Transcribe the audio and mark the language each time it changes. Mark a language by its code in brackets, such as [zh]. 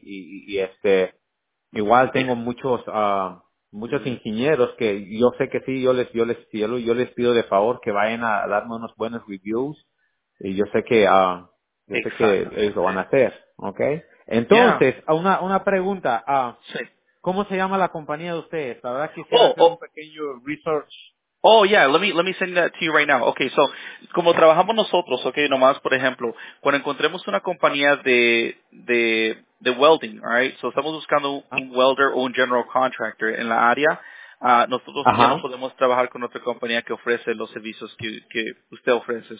[es] Y igual tengo muchos ingenieros que yo sé que sí, yo les pido de favor que vayan a darme unos buenos reviews y yo sé que ellos lo van a hacer, ¿okay? Entonces, [en] yeah. [es] una pregunta, sí. ¿Cómo se llama la compañía de ustedes? La verdad que quisiera hacer un pequeño research. [en] Oh, yeah, let me send that to you right now. Okay, so, [es] como trabajamos nosotros, okay, nomás, por ejemplo, cuando encontremos una compañía de welding, [en] alright, so [es] estamos buscando un welder o un general contractor en la área, nosotros ya no podemos trabajar con otra compañía que ofrece los servicios que usted ofrece.